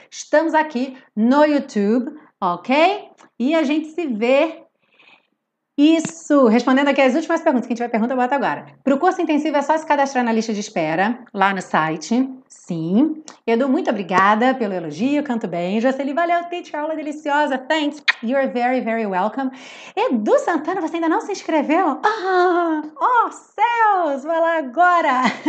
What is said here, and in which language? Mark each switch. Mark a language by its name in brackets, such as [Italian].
[Portuguese] Estamos aqui no YouTube, ok? E a gente se vê. Isso, respondendo aqui as últimas perguntas. Quem tiver pergunta, bota agora. Para o curso intensivo é só se cadastrar na lista de espera, lá no site. Sim. Edu, muito obrigada pelo elogio, canto bem. Jocely, valeu, teacher, aula deliciosa. [English] Thanks, you're very, very welcome. [Portuguese] Edu Santana, você ainda não se inscreveu? Oh, céus, vai lá agora.